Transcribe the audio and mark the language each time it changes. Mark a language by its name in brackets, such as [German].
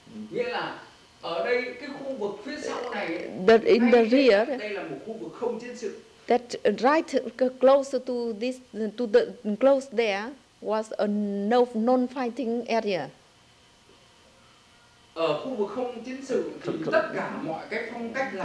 [Vietnamese] Nghĩa là ở đây cái khu vực phía sau này, [English] that in the rear, [Vietnamese] đây là một khu vực không chiến sự. [English] That right close to this to the close there was a non-fighting area. [Vietnamese] Ở khu vực không chiến sự thì tất cả mọi cái phong cách làm